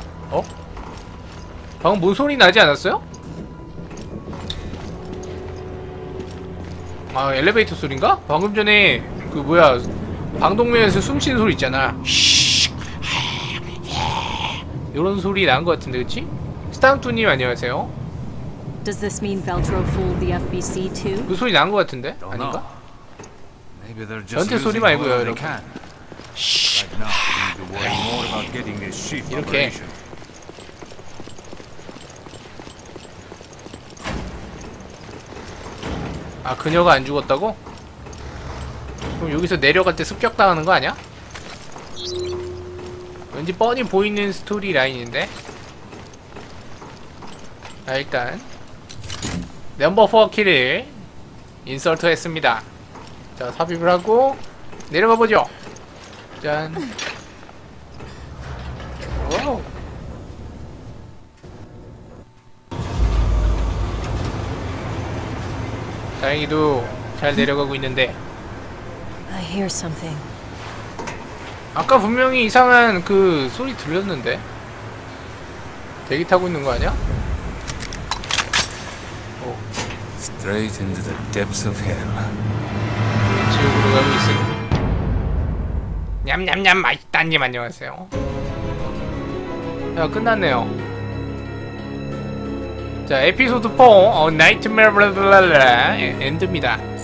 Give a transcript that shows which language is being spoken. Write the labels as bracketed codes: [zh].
[ko] 어? 방금 뭔 소리 나지 않았어요? 아, 엘리베이터 소린가? 방금 전에 그 뭐야, 방독면에서 숨쉬는 소리 있잖아. 이런 소리 난 것 같은데, 그치? 스탕투님 안녕하세요. [en] Does this mean Veltro fooled the FBC too? [ko] 그 소리 난 것 같은데, 아닌가? 전체 소리 말고요, 여러분. 이렇게. 아, 그녀가 안 죽었다고? 그럼 여기서 내려갈 때 습격당하는 거 아니야? 왠지 뻔히 보이는 스토리 라인인데? 자, 일단 넘버 4 키를 인서트 했습니다. 자, 삽입을 하고 내려가 보죠. 짠. 다행히도 잘 내려가고 있는데. [en] I hear something. [ko] 아까 분명히 이상한 그 소리 들렸는데. 대기 타고 있는 거 아니야? 오. [en] Straight into the depths of hell. [ko] 지옥으로 가고 있어. 냠냠냠 맛있다님 안녕하세요. 야, 끝났네요. 자, 에피소드 4, 나이트메어 블라블라 엔드입니다.